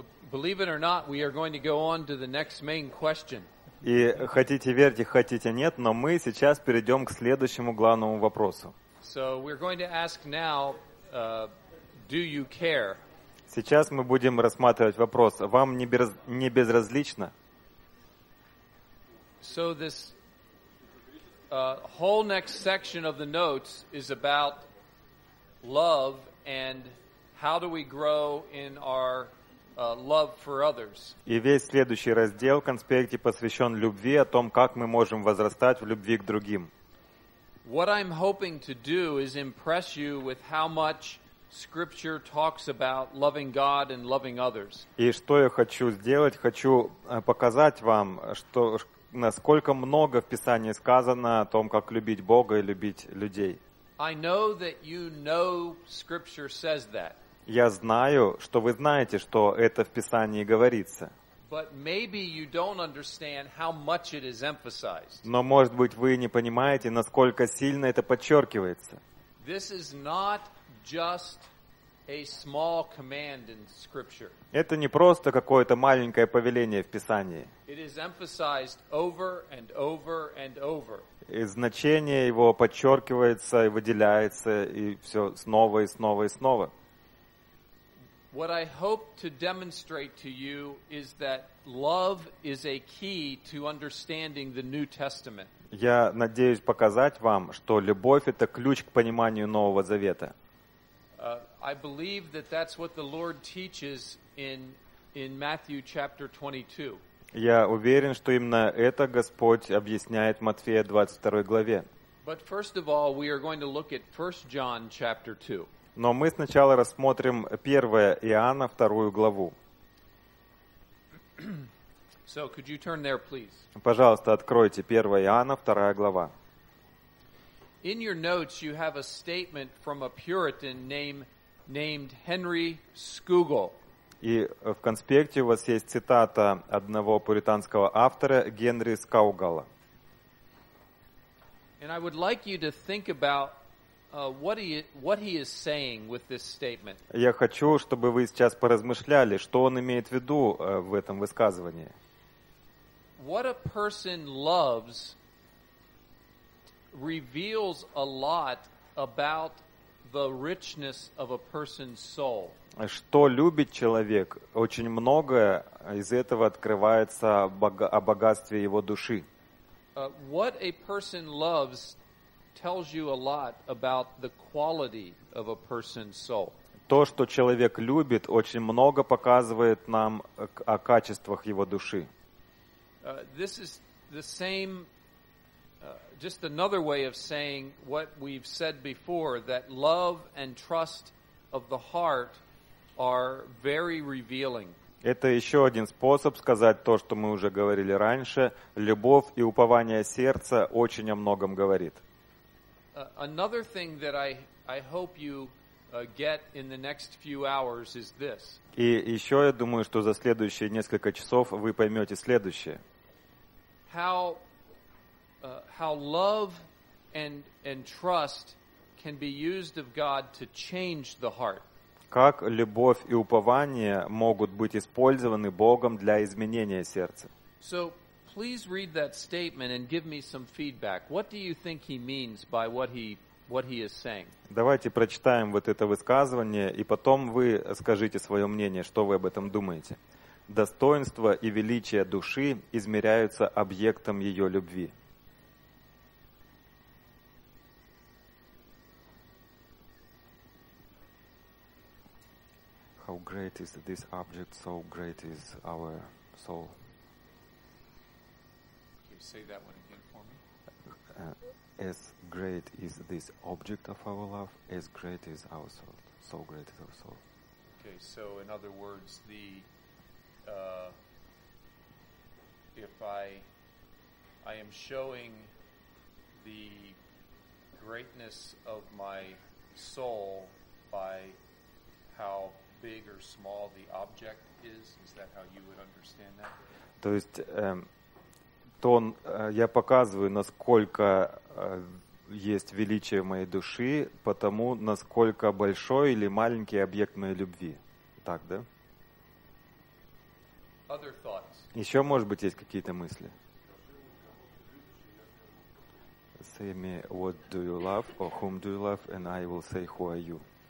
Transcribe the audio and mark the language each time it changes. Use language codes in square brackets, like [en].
[en] Believe it or not, we are going to go on to the next main question. [ru] И хотите верьте, хотите нет, но мы сейчас перейдем к следующему главному вопросу. [en] So we're going to ask now, do you care? [ru] Сейчас мы будем рассматривать вопрос, вам не безразлично? [en] So this whole next section of the notes is about love and how do we grow in our love for others. [ru] И весь следующий раздел в конспекте посвящен любви, о том, как мы можем возрастать в любви к другим. [en] What I'm hoping to do is impress you with how much Scripture talks about loving God and loving others. [ru] И что я хочу сделать? Хочу показать вам, что насколько много в Писании сказано о том, как любить Бога и любить людей. [en] I know that you know Scripture says that. [ru] Я знаю, что вы знаете, что это в Писании говорится. [en] But maybe you don't understand how much it is emphasized. [ru] Но, может быть, вы не понимаете, насколько сильно это подчеркивается. [en] This is not just a small command in Scripture. [ru] Это не просто какое-то маленькое повеление в Писании. [en] It is emphasized over and over and over. [ru] И значение его подчеркивается и выделяется, и все снова и снова и снова. [en] What I hope to demonstrate to you is that love is a key to understanding the New Testament. [ru] Я надеюсь показать вам, что любовь — это ключ к пониманию Нового Завета. [en] I believe that that's what the Lord teaches in Matthew chapter 22. [ru] Я уверен, что именно это Господь объясняет в Матфея 22 главе. [en] But first of all, we are going to look at 1 John chapter 2. [ru] Но мы сначала рассмотрим 1 Иоанна, 2 главу. [en] So could you turn there, please? [ru] Пожалуйста, откройте 1 Иоанна, 2 глава. [en] In your notes you have a statement from a Puritan named Henry Scougal. [ru] И в конспекте у вас есть цитата одного пуританского автора Генри Скаугала. [en] And I would like you to think about what he is saying with this statement. [ru] Я хочу, чтобы вы сейчас поразмышляли, что он имеет в виду в этом высказывании. [en] What a person loves reveals a lot about the richness of a person's soul. [ru] Что любит человек, очень многое из этого открывается о богатстве его души. [en] What a person loves tells you a lot about the quality of a person's soul. [ru] То, что человек любит, очень много показывает нам о качествах его души. [en] This is the same, just another way of saying what we've said before, that love and trust of the heart are very revealing. [ru] Это еще один способ сказать то, что мы уже говорили раньше. Любовь и упование сердца очень о многом говорит. [en] Another thing that I hope you get in the next few hours is this. [ru] И еще я думаю, что за следующие несколько часов вы поймете следующее. [en] How love and trust can be used of God to change the heart. [ru] Как любовь и упование могут быть использованы Богом для изменения сердца. [en] So, please read that statement and give me some feedback. What do you think he means by what he is saying? [ru] Давайте прочитаем вот это высказывание, и потом вы скажите свое мнение, что вы об этом думаете. Достоинство и величие души измеряются объектом ее любви. [en] How great is this object, so great is our soul. Say that one again for me. As great is this object of our love, as great is our soul. So great is our soul. Okay, so in other words, the if I am showing the greatness of my soul by how big or small the object is that how you would understand that? [ru] То есть, то я показываю, насколько есть величие в моей души, потому насколько большой или маленький объект моей любви. Так, да? [en] other thoughts? [ru] Еще, может быть, есть какие-то мысли? [en] Say me, what do you love, or whom do you love, and I will say, who are you?